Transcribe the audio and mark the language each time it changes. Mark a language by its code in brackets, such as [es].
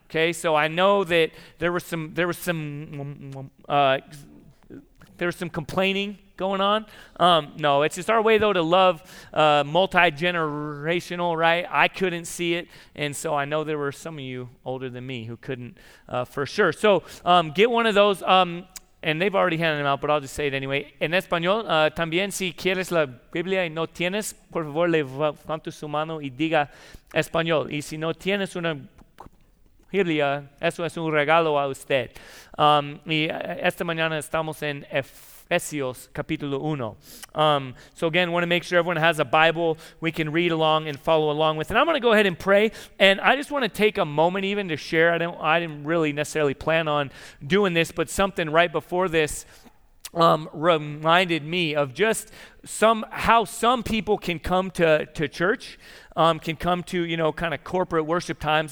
[en] Okay, so I know that there was some complaining going on. No, it's just our way, though, to love multi-generational, right? I couldn't see it, and so I know there were some of you older than me who couldn't for sure. So get one of those, and they've already handed them out, but I'll just say it anyway. [es] En español, también si quieres la Biblia y no tienes, por favor, levante su mano y diga español. Y si no tienes una Biblia, eso es un regalo a usted. Y esta mañana estamos en Ephesians capítulo 1. [en] So again, want to make sure everyone has a Bible we can read along and follow along with. And I'm going to go ahead and pray. And I just want to take a moment even to share. I didn't really necessarily plan on doing this, but something right before this reminded me of just how some people can come to church, can come to, you know, kind of corporate worship times.